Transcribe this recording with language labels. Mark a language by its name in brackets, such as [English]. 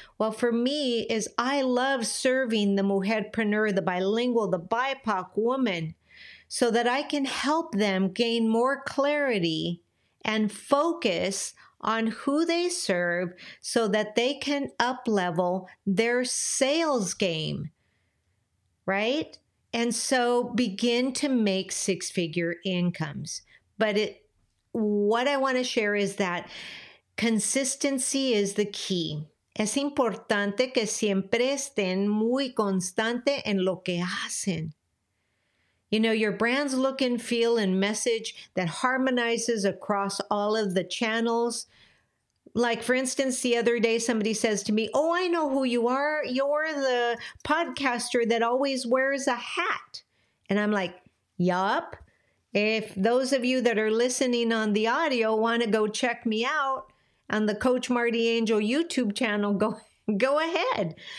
[English] Well, for me is I love serving the mujerpreneur, the bilingual, the BIPOC woman, so that I can help them gain more clarity and focus on who they serve so that they can up-level their sales game, right? And so begin to make six-figure incomes. But what I want to share is that consistency is the key. [Spanish] Es importante que siempre estén muy constante en lo que hacen. [English] You know, your brand's look and feel and message that harmonizes across all of the channels. Like, for instance, the other day somebody says to me, oh, I know who you are. You're the podcaster that always wears a hat. And I'm like, yup. If those of you that are listening on the audio want to go check me out on the Coach Marty Angel YouTube channel, go ahead.